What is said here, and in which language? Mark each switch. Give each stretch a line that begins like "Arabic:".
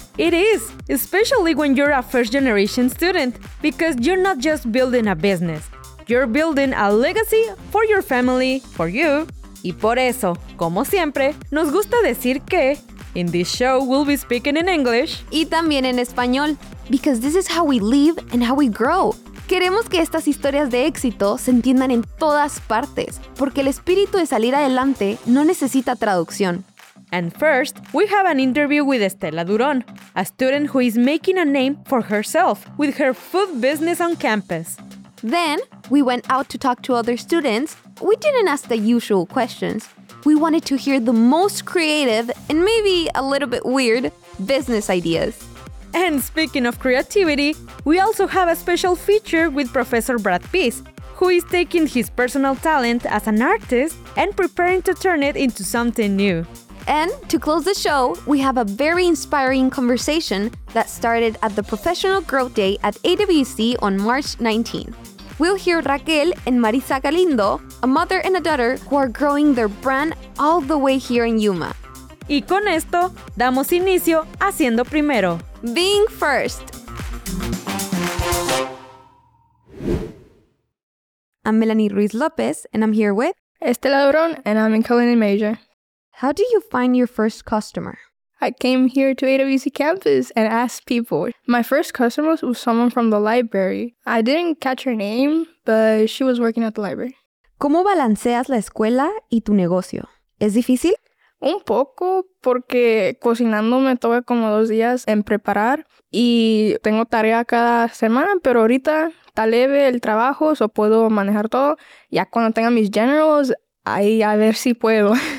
English: It is, especially when you're a first-generation student, because you're not just building a business. You're building a legacy for your family, for you.
Spanish: Y por eso, como siempre, nos gusta decir que
English: in this show, we'll be speaking in English.
Spanish: Y también en español.
English: Because this is how we live and how we grow.
Spanish: Queremos que estas historias de éxito se entiendan en todas partes. Porque el espíritu de salir adelante no necesita traducción.
English: And first, we have an interview with Estela Durón, a student who is making a name for herself with her food business on campus. Then, we went out to talk to other students. We didn't ask the usual questions. We wanted to hear the most creative and maybe a little bit weird business ideas. And speaking of creativity, we also have a special feature with Professor Brad Pease, who is taking his personal talent as an artist and preparing to turn it into something new. And to close the show, we have a very inspiring conversation that started at the Professional Growth Day at AWC on March 19. We'll hear Raquel and Marisa Galindo, a mother and a daughter who are growing their brand all the way here in Yuma.
Spanish: Y con esto, damos inicio a Siendo Primero.
English: Being first. I'm Melanie Ruiz López, and I'm here with Estela Durón, and I'm in culinary major. How do you find your first customer? I came here to AWC campus and asked people. My first customer was someone from the library. I didn't catch her name, but she was working at the library.
Spanish: ¿Cómo balanceas la escuela y tu negocio? ¿Es difícil? Un poco, porque cocinando me tomé como 2 días en preparar y tengo tarea cada semana, pero ahorita está leve el trabajo, so puedo manejar todo. Ya cuando tenga mis generals, ahí a ver si puedo.